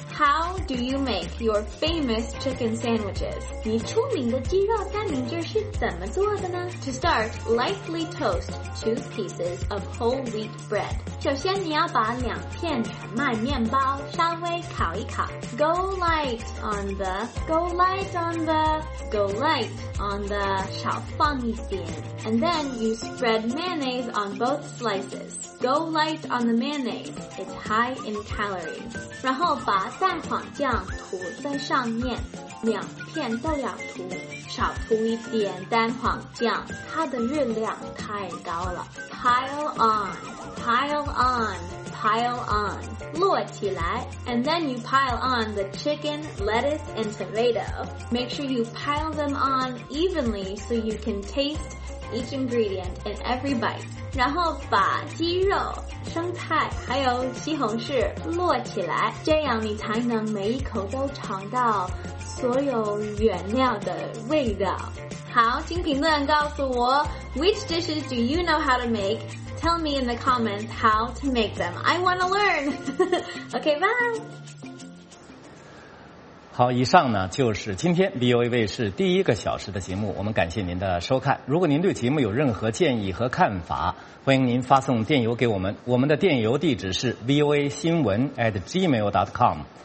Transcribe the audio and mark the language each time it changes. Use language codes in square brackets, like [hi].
[en] How do you make your famous chicken sandwiches? [zh] 你出名的鸡肉三明治是怎么做的呢？ [en] To start, lightly toast 2 pieces of whole wheat bread. [zh] 首先你要把两片全麦面包稍微烤一烤。 [en] Go light on the, go light on the, go light on the, [zh] 少放一点。 [en] And then you spread mayonnaise on both slices. Go light on the mayonnaise, it's high in calories. [zh] 然后把蛋黄酱涂在上面。两片都要涂，少涂一点蛋黄酱，它的热量太高了。 [en] Pile on, pile on, pile on, [zh] 摞起来。 [en] And then you pile on the chicken, lettuce, and tomato. Make sure you pile them on evenly so you can taste each ingredient in every bite. [zh] 然后把鸡肉、生菜还有西红柿摞起来，这样你才能每一口都尝到所有原料的味道。好，请评论告诉我 [en] ，Which dishes do you know how to make? Tell me in the comments how to make them. I want to learn. OK, bye. [zh] 好，以上呢就是今天 VOA 卫视第一个小时的节目，我们感谢您的收看。如果您对节目有任何建议和看法，欢迎您发送电邮给我们，我们的电邮地址是 voasinwen@gmail.com。